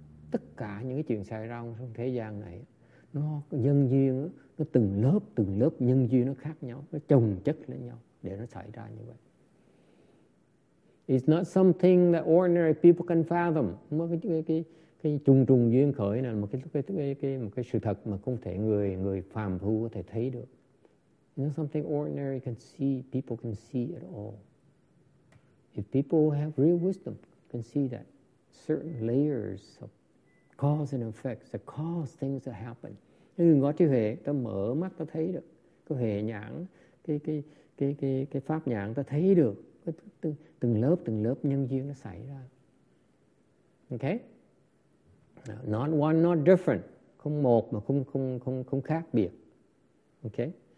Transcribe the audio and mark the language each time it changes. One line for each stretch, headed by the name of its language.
Vietnamese: Tất cả những cái chuyện xảy ra trong thế gian này, nó nhân duyên, nó từng lớp nhân duyên nó khác nhau, nó chồng chất lên nhau để nó xảy ra như vậy.
English: It's not something that ordinary people can fathom.
Vietnamese: Cái trùng trùng duyên khởi này là một cái sự thật mà không thể người phàm phu có thể thấy được.
English: You know, something ordinary can see, people can see at all. If people have real wisdom, can see that certain layers of cause and effects that cause things to happen.
Vietnamese: Người có trí huệ, ta mở mắt ta thấy được. Có huệ nhãn, cái pháp nhãn ta thấy được. Từng lớp nhân duyên nó xảy ra. Okay?
English: Not one, not different.
Vietnamese: Không một mà không khác biệt. Okay?